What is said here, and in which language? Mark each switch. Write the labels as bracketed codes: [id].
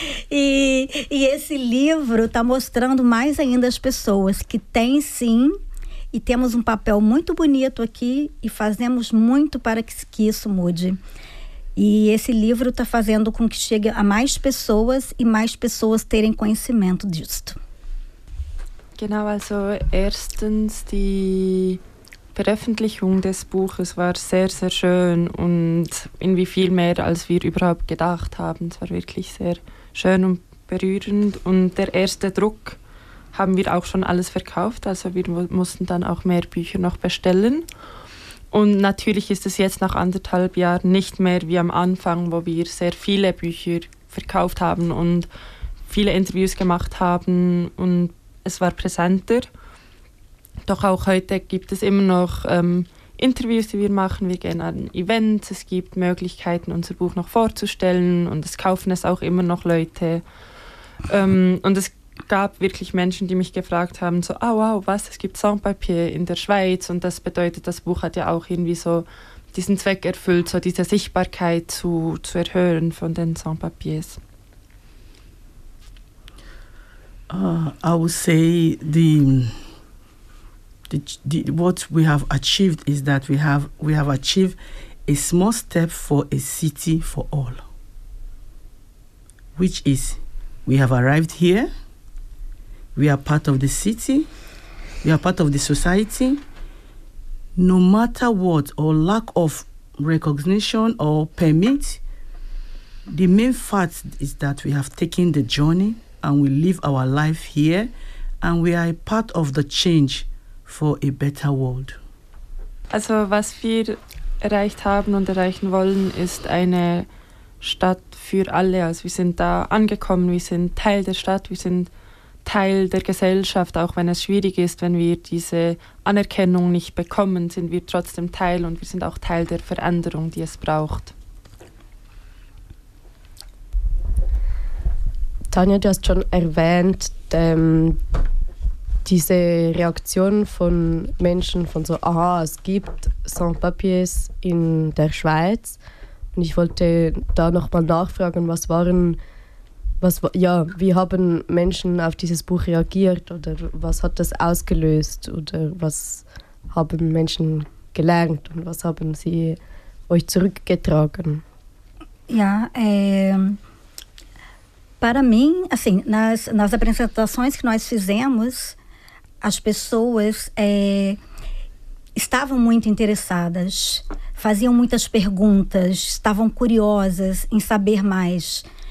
[pt] E esse livro está mostrando mais ainda as pessoas que tem sim, e temos um papel muito bonito aqui e fazemos muito para que isso mude. E esse livro está fazendo com que chegue a mais pessoas e mais pessoas terem conhecimento disto. [de] Genau, also erstens, die Veröffentlichung des Buches war sehr, sehr schön und irgendwie viel mehr, als wir überhaupt gedacht haben. Es war wirklich sehr schön und berührend. Und der erste Druck haben wir auch schon alles verkauft, also wir mussten dann auch mehr Bücher noch bestellen. Und natürlich ist es jetzt nach anderthalb Jahren nicht mehr wie am Anfang, wo wir sehr viele Bücher verkauft haben und viele Interviews gemacht haben und es war präsenter. Doch auch heute gibt es immer noch Interviews, die wir machen. Wir gehen an Events, es gibt Möglichkeiten, unser Buch noch vorzustellen und es kaufen es auch immer noch Leute. Und es gab wirklich Menschen, die mich gefragt haben, so, ah, wow, was, es gibt Sans-Papier in der Schweiz und das bedeutet, das Buch hat ja auch irgendwie so diesen Zweck erfüllt, so diese Sichtbarkeit zu erhöhen von den Sans-Papiers. [en] I would say the what we have achieved is that we have achieved a small step for a city for all, which is we have arrived here, we are part of the city, we are part of the society. No matter what, or lack of recognition or permit, the main fact is that we have taken the journey and we live our life here and we are a part of the change for a better world. [de] Also was wir erreicht haben und erreichen wollen, ist eine Stadt für alle. Also wir sind da angekommen, wir sind Teil der Stadt, wir sind Teil der Gesellschaft, auch wenn es schwierig ist, wenn wir diese Anerkennung nicht bekommen, sind wir trotzdem Teil und wir sind auch Teil der Veränderung, die es braucht. Tanja, du hast schon erwähnt, diese Reaktion von Menschen von so, aha, es gibt Sans-Papiers in der Schweiz. Und ich wollte da nochmal nachfragen, wie haben Menschen auf dieses Buch reagiert oder was hat das ausgelöst oder was haben Menschen gelernt und was haben sie euch zurückgetragen? [pt] Ja, para mim, assim, nas apresentações que nós fizemos, as pessoas estavam muito interessadas, faziam muitas perguntas, estavam curiosas em saber mais.